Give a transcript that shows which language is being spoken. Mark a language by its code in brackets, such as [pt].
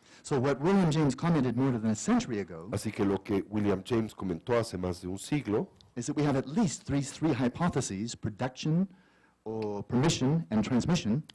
[en] So what William James commented more than a century ago. [es] Así que lo que William James comentó hace más de un siglo. [en] Is that we have at least three hypotheses: production, or permission, and transmission.